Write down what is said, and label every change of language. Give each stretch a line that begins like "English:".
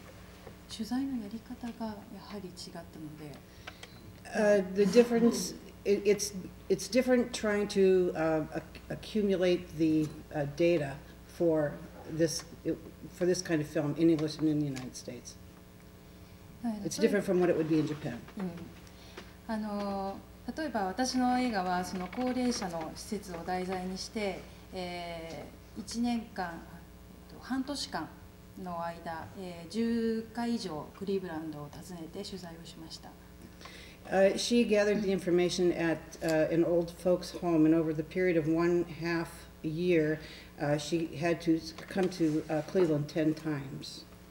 Japanese: そうですね。まあ、取材をする時のその、まあ、いろいろこう申請をしたりですね。そういうとか、取材のやり方がやはり違ったので。
English: The difference, it's different trying to accumulate the data for this kind of film in English and in the United States. It's different from what it would be in Japan.
Japanese: あの、例えば私の映画はその高齢者の施設を題材にして、1年間、半年間の間、10回以上クリーブランドを訪ねて取材をしました。
English: She gathered the information at an old folks' home, and over the period of one half year, she had to come to Cleveland 10 times.